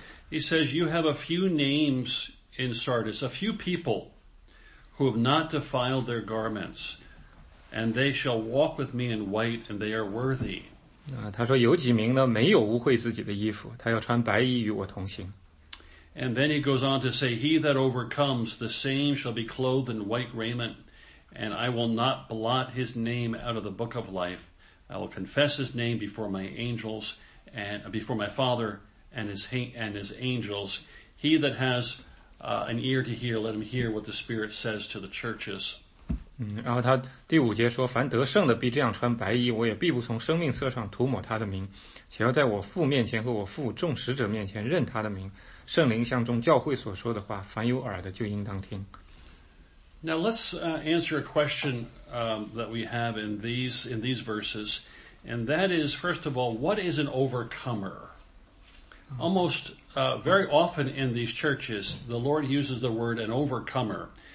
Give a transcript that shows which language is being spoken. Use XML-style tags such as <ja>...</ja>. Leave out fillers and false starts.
<en>He says, you have a few names in Sardis, a few people who have not defiled their garments, and they shall walk with me in white, and they are worthy.</en> <zh>他说有几名呢没有污秽自己的衣服，他要穿白衣与我同行。</zh> <en>And then he goes on to say, he that overcomes the same shall be clothed in white raiment, and I will not blot his name out of the book of life. I will confess his name before my angels and before my Father and his angels. He that has an ear to hear, let him hear what the Spirit says to the churches.</en> <zh>然后他第五节说，凡得胜的必这样穿白衣，我也必不从生命册上涂抹他的名，且要在我父面前和我父众使者面前认他的名。圣灵像众教会所说的话，凡有耳的就应当听。</zh> <en>Now let's answer a question that we have in these verses, and that is, first of all, what is an overcomer? Almost very often in these churches, the Lord uses the word an overcomer.</en>